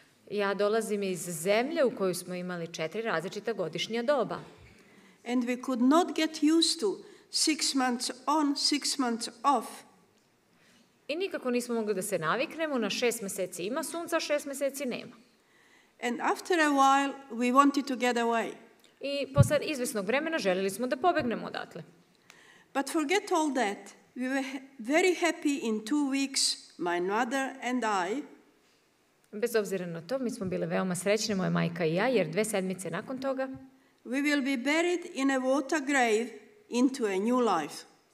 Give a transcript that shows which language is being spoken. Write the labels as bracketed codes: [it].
[sr] Ja dolazim iz zemlje u kojoj smo imali četiri različita godišnja doba. [en] And we could not get used to 6 months on, 6 months off. [sr] I nikako nismo mogli da se naviknemo na 6 meseci ima sunca, 6 meseci nema. [en] And after a while we wanted to get away. [sr] I posle izvesnog vremena želeli smo da pobegnemo odatle. [en] But forget all that. We were very happy in 2 weeks, my mother and I. [sr] Bez obzira na to, mi smo bile veoma srećne, moja majka i ja, jer 2 sedmice nakon toga [en] we will be buried in a water grave into a new life.